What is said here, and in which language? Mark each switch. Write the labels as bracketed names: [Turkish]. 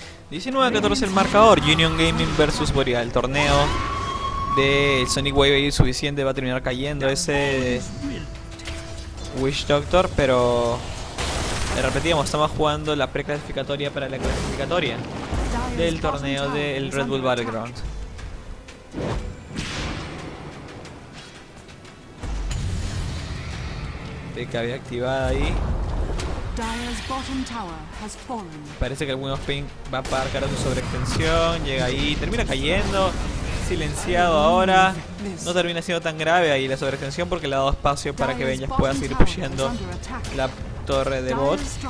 [Spanish] ...19-14 el marcador, Union Gaming versus Boreal, el torneo de Sonic Wave es suficiente, va a terminar cayendo ese Wish Doctor, pero le repetimos, estamos jugando la preclasificatoria para la clasificatoria del torneo del Red Bull Battleground. De que había activado ahí. [English] Dire's bottom tower has fallen. [Spanish] Parece que algunos ping va a parar cara su sobreextensión, llega ahí, termina cayendo, silenciado ahora. No termina siendo tan grave ahí la sobreextensión porque le ha dado espacio para que Benjas pueda seguir pusheando la torre de bot.